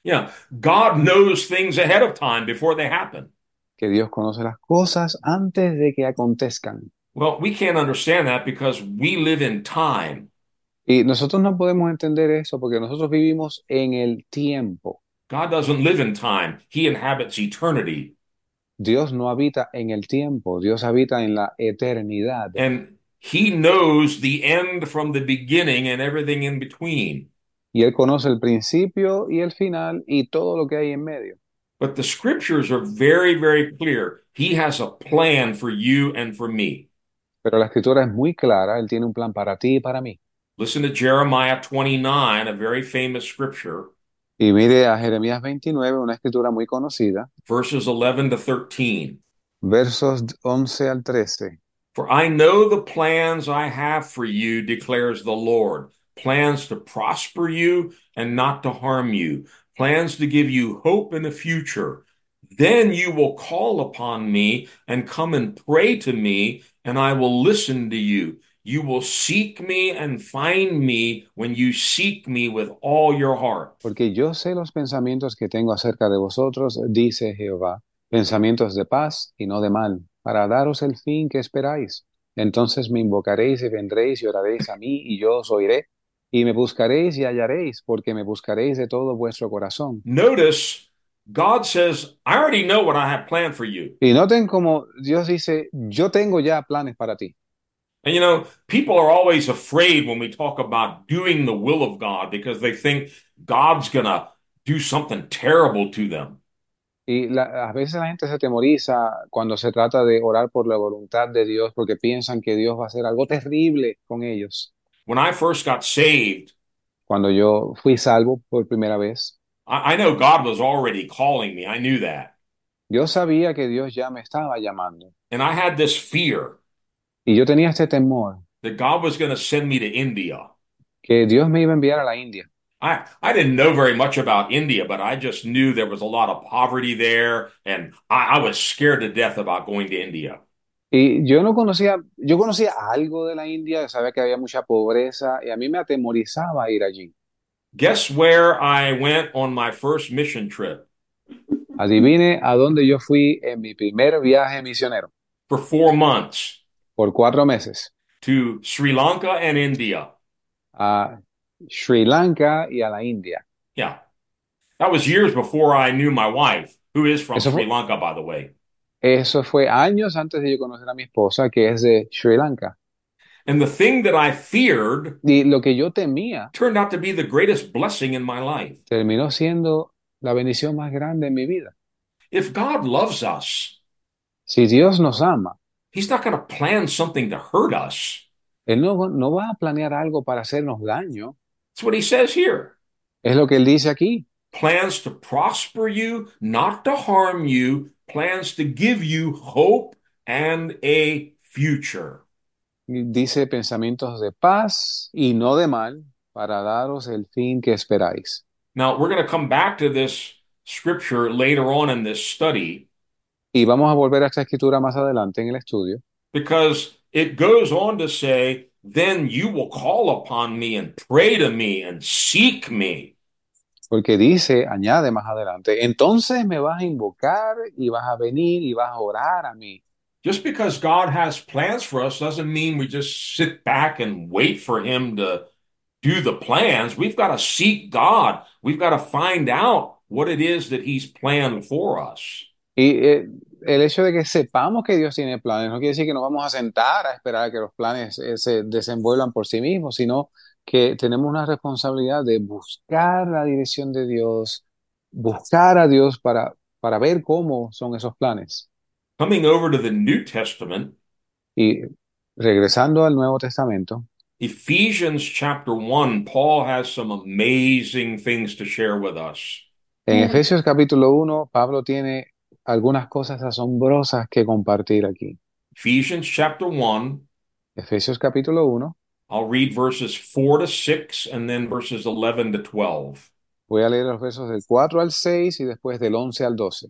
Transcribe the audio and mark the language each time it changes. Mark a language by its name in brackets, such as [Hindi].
[English] Yeah, God knows things ahead of time before they happen. [Spanish] Que Dios conoce las cosas antes de que acontezcan. [English] Well, we can't understand that because we live in time. [Spanish] Y nosotros no podemos entender eso porque nosotros vivimos en el tiempo. [English] God doesn't live in time, he inhabits eternity. [Spanish] Dios no habita en el tiempo, Dios habita en la eternidad. [English] And he knows the end from the beginning and everything in between. [Spanish] Y Él conoce el principio y el final y todo lo que hay en medio. [English] But the scriptures are very, very clear. He has a plan for you and for me. [Spanish] Pero la escritura es muy clara, Él tiene un plan para ti y para mí. [English] Listen to Jeremiah 29, a very famous scripture. [Spanish] Y mire a Jeremías 29, una escritura muy conocida. [English] Verses 11 to 13. [Spanish] Versos 11 al 13. [English] For I know the plans I have for you, declares the Lord, plans to prosper you and not to harm you. Plans to give you hope in the future. Then you will call upon me and come and pray to me, and I will listen to you. You will seek me and find me when you seek me with all your heart. [Spanish] Porque yo sé los pensamientos que tengo acerca de vosotros, dice Jehová, pensamientos de paz y no de mal, para daros el fin que esperáis. Entonces me invocaréis y vendréis y oraréis a mí y yo os oiré, y me buscaréis y hallaréis, porque me buscaréis de todo vuestro corazón. [English] Notice, God says, I already know what I have planned for you. [Spanish] Y noten cómo Dios dice, yo tengo ya planes para ti. [English] And you know, people are always afraid when we talk about doing the will of God because they think God's gonna do something terrible to them. [Spanish] Y a veces la gente se atemoriza cuando se trata de orar por la voluntad de Dios porque piensan que Dios va a hacer algo terrible con ellos. [English] When I first got saved, [Spanish] Cuando yo fui salvo por primera vez, [English] I know God was already calling me. I knew that. [Spanish] yo sabía que Dios ya me estaba llamando. [English] And I had this fear [Spanish] Y yo tenía este temor [English] that God was going to send me to India. [Spanish] que Dios me iba a enviar a la India. [English] I didn't know very much about India, but I just knew there was a lot of poverty there, and I was scared to death about going to India. [Spanish] Y yo no conocía, yo conocía algo de la India, sabía que había mucha pobreza y a mí me atemorizaba ir allí. [English] Guess where I went on my first mission trip? [Spanish] Adivine a dónde yo fui en mi primer viaje misionero. [English] For 4 months. [Spanish] Por 4 meses. [English] To Sri Lanka and India. [Spanish] A Sri Lanka y a la India. [English] Yeah. That was years before I knew my wife, who is from [Spanish] Eso [English] Sri [Spanish] fue. [English] Lanka, by the way. [Spanish] Eso fue años antes de yo conocer a mi esposa, que es de Sri Lanka. [English] And the thing that I feared [Spanish] Y lo que yo temía [English] turned out to be the greatest blessing in my life. [Spanish] terminó siendo la bendición más grande en mi vida. [English] If God loves us, [Spanish] Si Dios nos ama, [English] He's not going to plan something to hurt us. [Spanish] Él no va a planear algo para hacernos daño. [English] That's what He says here. [Spanish] Es lo que Él dice aquí. [English] Plans to prosper you, not to harm you, plans to give you hope and a future. [Spanish] Dice pensamientos de paz y no de mal para daros el fin que esperáis. [English] Now, we're going to come back to this scripture later on in this study [Spanish] Y vamos a volver a esta escritura más adelante en el estudio. [English] because it goes on to say, then you will call upon me and pray to me and seek me. [Spanish] Porque dice, añade más adelante, entonces me vas a invocar y vas a venir y vas a orar a mí. [English] Just because God has plans for us doesn't mean we just sit back and wait for Him to do the plans. We've got to seek God. We've got to find out what it is that He's planned for us. [Spanish] Y el hecho de que sepamos que Dios tiene planes no quiere decir que nos vamos a sentar a esperar a que los planes se desenvuelvan por sí mismos, sino que tenemos una responsabilidad de buscar la dirección de Dios, buscar a Dios para ver cómo son esos planes. [English] Coming over to the New Testament, [Spanish] Y regresando al Nuevo Testamento, [English] Ephesians chapter 1, Paul has some amazing things to share with us. [Spanish] en Efesios capítulo 1, Pablo tiene algunas cosas asombrosas que compartir aquí. [English] Ephesians chapter 1, [Spanish] Efesios capítulo 1. [English] I'll read verses 4 to 6 and then verses 11 to 12. [Spanish] Voy a leer los versos del 4 al 6 y después del 11 al 12.